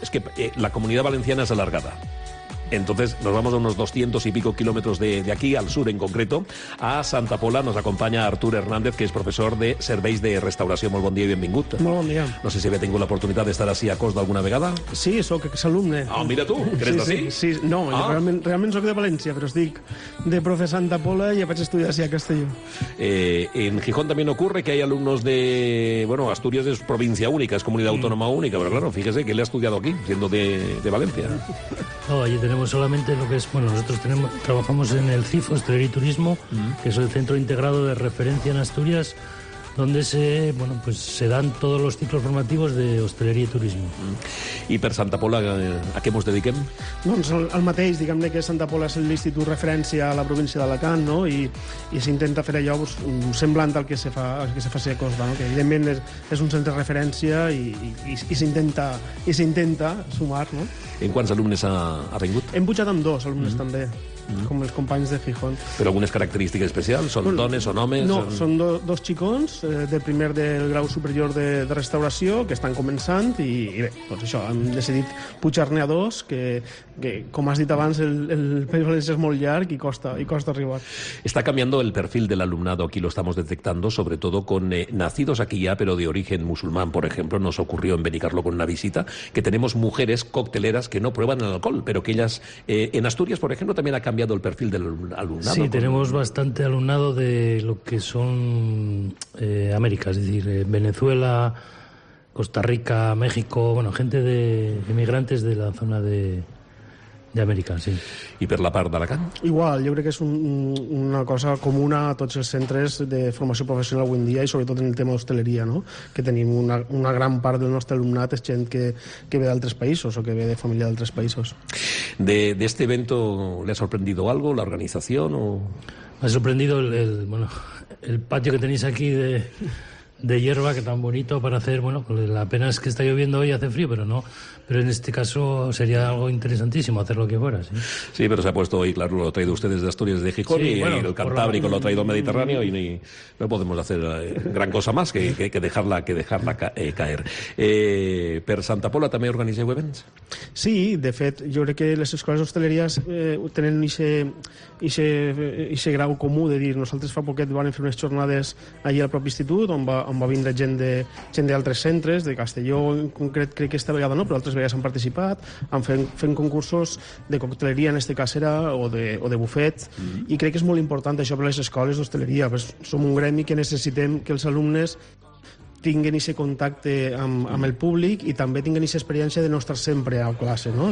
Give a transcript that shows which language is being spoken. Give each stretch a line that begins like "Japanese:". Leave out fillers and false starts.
Spanish: Es que la comunidad valenciana es alargada. Entonces nos vamos a unos 200 y pico kilómetros de aquí, al sur en concreto, a Santa Pola. Nos acompaña Artur Hernández, que es profesor de Serveis de Restauración.
Catalan: Molt bon dia i benvingut. Molt bon dia.
Spanish: No sé si había tenido la oportunidad de estar así a Cos d'Ar
Catalan: alguna vegada. Sí, soc exalumne.
Spanish: Ah, mira tú, ¿crees sí, sí, sí, no, ah.
Catalan: realment soc de València, però estic de profe Santa Pola i ja vaig estudiar así a Castelló.
Spanish: En Gijón también ocurre que hay alumnos de... Bueno, Asturias es provincia única, es comunidad autónoma única, pero claro, fíjese que él ha estudiado aquí, siendo de Valencia. No, allí tenemos solamente lo que es... Bueno, nosotros tenemos, trabajamos en el CIF, Hostelería y Turismo, que es el centro integrado de referencia en Asturias, donde se, bueno, pues se dan todos los ciclos formativos de hostelería y turismo.
Catalan: I per Santa Pola, a què mos dediquem? Doncs el mateix, diguem-ne que Santa Pola és l'institut referència a la província d'Alacant, no? I s'intenta fer allò semblant al que se fa, al que se fa a Cos d'Ar, no? Que evidentment és un centre de referència i s'intenta sumar, no? En quants alumnes ha vingut? Hem pujat amb dos alumnes també. Com els companys de Gijón. Però algunes característiques especials? Són dones o homes? No, són dos xicons del primer del grau superior de restauració que estan començant i bé, doncs això, hem decidit pujar-ne a dos que com has dit abans, el País Valencià és molt llarg i costa arribar.
Spanish: Está cambiando el perfil del alumnado, aquí lo estamos detectando, sobre todo con nacidos aquí ya, pero de origen musulmán, por ejemplo, nos ocurrió en Benicarlo con una visita, que tenemos mujeres cocteleras que no prueban el alcohol, pero que ellas, en Asturias, por ejemplo, también acá cambiado el perfil del alumnado. Sí, tenemos bastante alumnado de lo que son América, es decir, Venezuela, Costa Rica, México, bueno, gente de emigrantes de la zona de América, sí.
Catalan: I per la part d'Alacant? Igual, jo crec que és una cosa comuna a tots els centres de formació professional avui en dia i sobretot en el tema d'hostaleria, no? Que tenim una gran part del nostre alumnat és gent que ve d'altres països o que ve de família d'altres països.
Spanish: De este evento, ¿le ha sorprendido algo, la organización o...? Me ha sorprendido el patio que tenéis aquí de hierba, que tan bonito para hacer, bueno, la pena es que está lloviendo hoy y hace frío, pero no... Pero en este caso sería algo interesantísimo hacer lo que fuera, sí. Sí, pero se ha puesto hoy, claro, lo ha traído ustedes de Asturias, de Gijón, sí, y bueno, el Cantábrico lo ha traído Mediterráneo y no podemos hacer gran cosa más que dejarla caer.
Catalan: Per Santa Pola també organitzeu events? Sí, de fet, jo crec que les escoles d'hostaleries tenen ixe grau comú de dir, nosaltres fa poquet van fer unes jornades allà al propi institut on, va, on va vindre gent d'altres centres, de Castelló en concret, crec que esta vegada no, però altres vegades han participat, han fent concursos de cocteleria, en este cas era, o de bufet, i crec que és molt important això per a les escoles d'hostaleria, perquè som un gremi que necessitem que els alumnes tinguin aquest contacte amb el públic i també tinguin aquesta experiència de no estar sempre a classe, no?